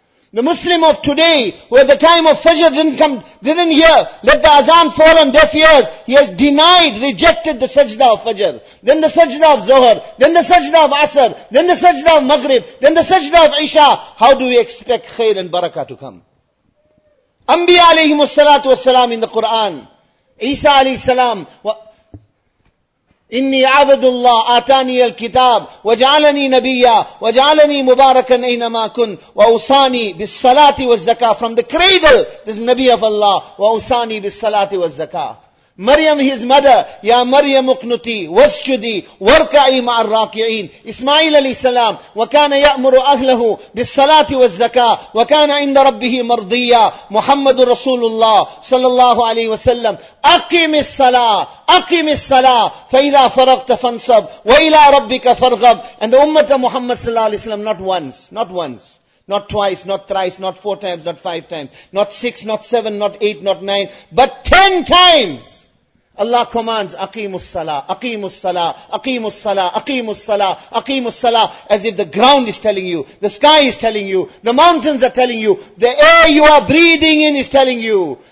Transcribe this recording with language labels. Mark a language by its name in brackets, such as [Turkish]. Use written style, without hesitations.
[English] The Muslim of today, who at the time of Fajr didn't hear, let the azan fall on deaf ears, he has denied, rejected the sajda of Fajr. Then the sajda of Zohar, then the sajda of Asr, then the sajda of Maghrib, then the sajda of Isha. How do we expect khair and barakah to come? [Arabic] Anbiya alayhimu salatu wassalam [English] in the Quran, [Arabic] Isa alayhi salam, إني عبد الله آتاني الكتاب وجعلني نبيا وجعلني مباركا أينما كنت وأوصاني بالصلاة والزكاة. [English] From the cradle this Nabi of Allah, [Arabic] وأوصاني بالصلاة والزكاة. [English] Maryam his mother, [Arabic] يا مريم اقنتي واسجدي واركعي مع الراكعين. إسماعيل عليه السلام, وكان يأمر أهله بالصلاة والزكاة وكان عند ربه مرضيا. محمد رسول الله صلى الله عليه وسلم, أقم الصلاة أقم الصلاة فإذا فرغت فانصب وإلى ربك فارغب. [English] And the Ummah of Muhammad [Arabic] صلى الله عليه وسلم, [English] not once. Not twice, not thrice, not four times, not five times, not six, not seven, not eight, not nine, but 10 times. Allah commands, Aqimus Salah, Aqimus Salah, Aqimus Salah, Aqimus Salah, Aqimus Salah, as if the ground is telling you, the sky is telling you, the mountains are telling you, the air you are breathing in is telling you,